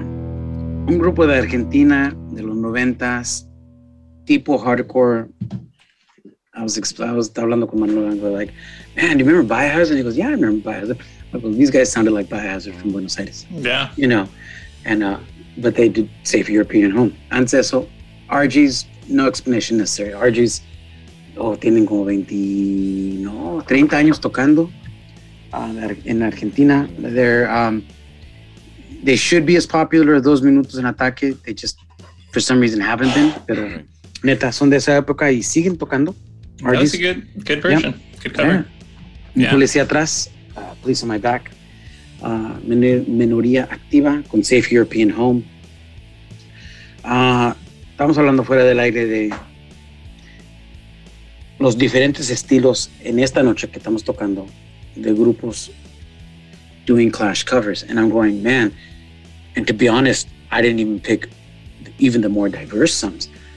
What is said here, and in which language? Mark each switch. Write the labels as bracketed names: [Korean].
[Spanish] Un grupo de Argentina de los noventas, tipo hardcore. [English] I was [Spanish] hablando con [English] Manuel, and we're like, man, do you remember Biohazard? And he goes, yeah, I remember Biohazard. I go, these guys sounded like Biohazard from Buenos Aires. Yeah. You know, and but they did Safe European at Home. [Spanish] Antes eso, RG's, [English] no explanation necessary. [Spanish] RG's, tienen como 20, no, 30 años tocando. [English] In Argentina, they should be as popular as those minutos en ataque. They just, for some reason, haven't been. [Spanish] Pero neta, son de esa época y siguen tocando. [English] That's just, a good version. Yeah. Good cover. Yeah. Yeah. [Spanish] Policía atrás, Police on My Back. Minoría Activa con Safe European Home. Estamos hablando fuera del aire de los diferentes estilos en esta noche que estamos tocando. [English] The groups doing Clash covers, and I'm going, man, and to be honest, I didn't even pick even the more diverse songs.